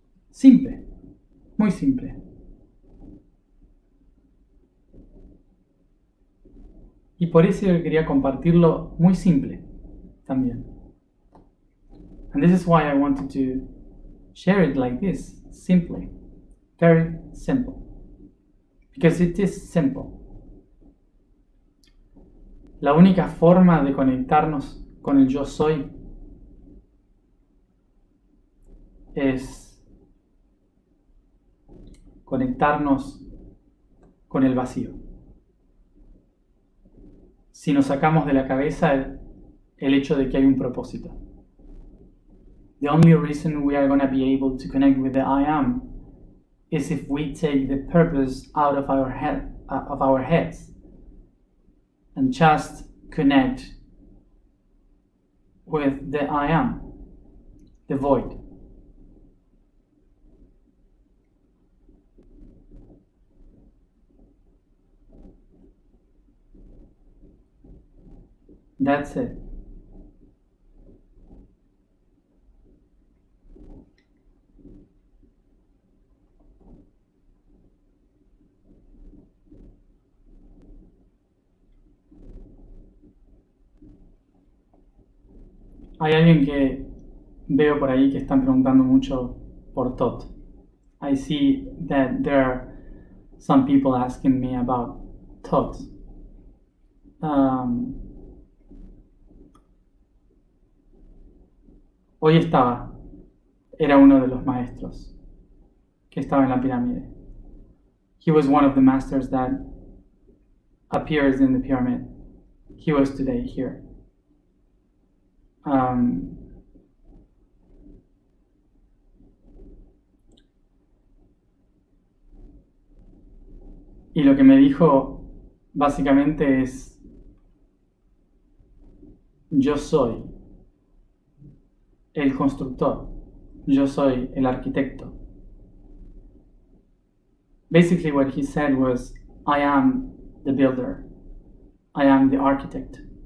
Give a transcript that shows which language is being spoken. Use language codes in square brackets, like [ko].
[es] Simple, muy simple. Y por eso quería compartirlo muy simple también. [en] And this is why I wanted to share it like this, simply, very simple. Because it is simple. [es] La única forma de conectarnos con el yo soy es conectarnos con el vacío. Si nos sacamos de la cabeza el hecho de que hay un propósito. [en] The only reason we are going to be able to connect with the I am is if we take the purpose out of our head, of our heads and just connect with the I am, the void. That's it. [es] Hay alguien que veo por ahí que están preguntando mucho por Tot. [en] I see that there are some people asking me about Tot. [es] Hoy estaba, era uno de los maestros que estaba en la pirámide. [en] He was one of the masters that appears in the pyramid. He was today here. [es] Y lo que me dijo básicamente es, yo soy el constructor, yo soy el arquitecto. [en] Basically, what he said was, I am the builder, I am the architect.